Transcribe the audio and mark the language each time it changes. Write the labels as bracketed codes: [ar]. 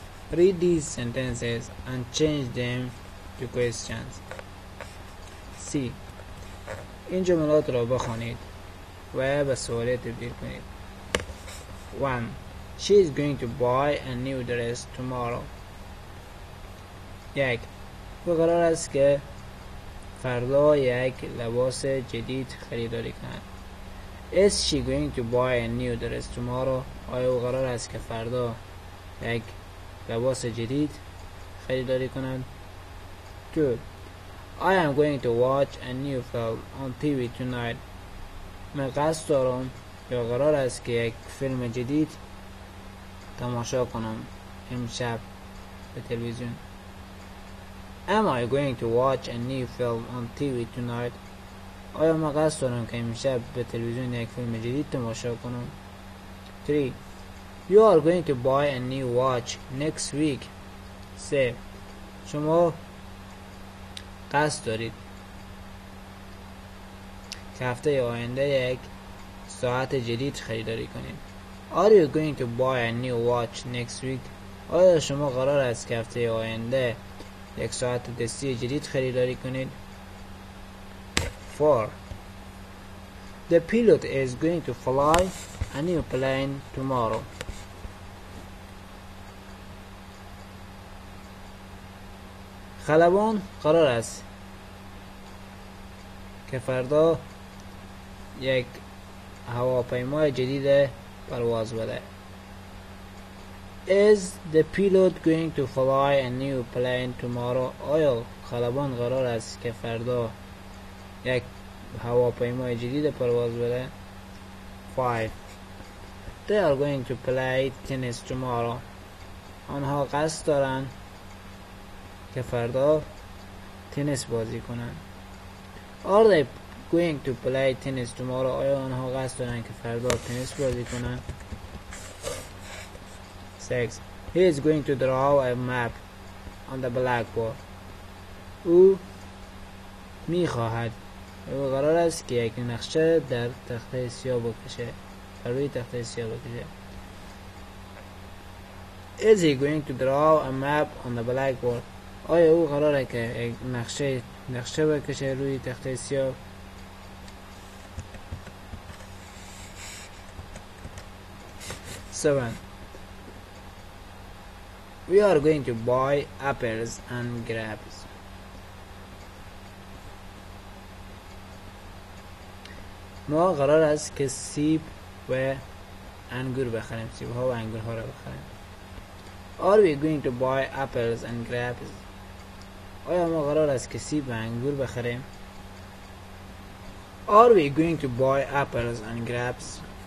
[en] Read these sentences and change them to questions. C. [fa] این جملات را بخونید و به سوالی تبدیل کنید. [en] 1. She is going to buy a new dress tomorrow. 1. [fa] او قرار است که فردا یک لباس جدید خریداری کند. [en] Is she going to buy a new dress tomorrow? [fa] آیا او قرار است که فردا یک لباس جدید خریداری کند؟ [en] 2. I am going to watch a new film on TV tonight. [fa] من قصد دارم یا قرار است که یک فیلم جدید تماشا کنم امشب به تلویزیون. [en] Am I going to watch a new film on TV tonight? [fa] آیا من قصد دارم که امشب به تلویزیون یک فیلم جدید تماشا کنم؟ [en] 3. You are going to buy a new watch next week. 3. [fa] شما قصد دارید که هفته آینده یک ساعت جدید خریداری کنید. [en] Are you going to buy a new watch next week? [fa] آیا شما قرار است که هفته آینده یک ساعت دستی جدید خریداری کنید؟ [en] 4. The pilot is going to fly a new plane tomorrow. [fa] خلبان قرار است که فردا یک هواپیمای جدید پرواز بده. [en] Is the pilot going to fly a new plane tomorrow? [fa] آیا خلبان قرار است که فردا یک هواپیمای جدید پرواز بده؟ [en] 5. They are going to play tennis tomorrow. [fa] آنها قصد دارن که فردا تنیس بازی کنن. [en] Are they going to play tennis tomorrow? [fa] آیا آنها قصد دارن که فردا تنیس بازی کنن؟ [en] 6. He is going to draw a map on the blackboard. [fa] او میخواهد و قرار است که یک نقشه در تخته سیاه بکشه، بر روی تخته سیاه بکشه. [en] Is he going to draw a map on the blackboard? [fa] آیا او قراره که یک نقشه بکشه روی تخته سیاه؟ [en] 7. We are going to buy apples and grapes. [fa] ما قرار است که سیب و انگور بخریم، سیب ها و انگور ها را بخریم. [en] Are we going to buy apples and grapes? آیا ما قرار است که سیب و انگور بخریم؟ Are we going to buy apples and grapes?